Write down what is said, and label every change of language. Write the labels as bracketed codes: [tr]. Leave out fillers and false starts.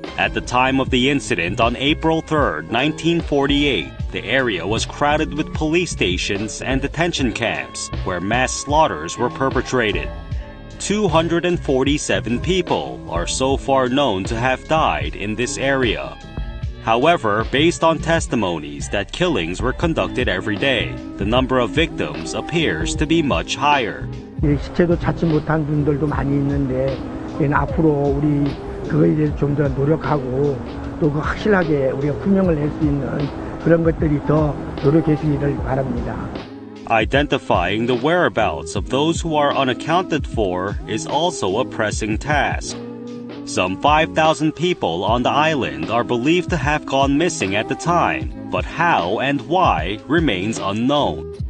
[en] At the time of the incident on April 3, 1948, the area was crowded with police stations and detention camps where mass slaughters were perpetrated. 247 people are so far known to have died in this area. However, based on testimonies that killings were conducted every day, the number of victims appears to be much higher. [ko] 시체도 찾지 못한 분들도 많이 있는데 앞으로 우리 그거에 대해서 좀 더 노력하고 또 확실하게 우리가 분명을 낼 수 있는 그런 것들이 더 노력했으기를 바랍니다. [en] Identifying the whereabouts of those who are unaccounted for is also a pressing task. Some 5,000 people on the island are believed to have gone missing at the time, but how and why remains unknown.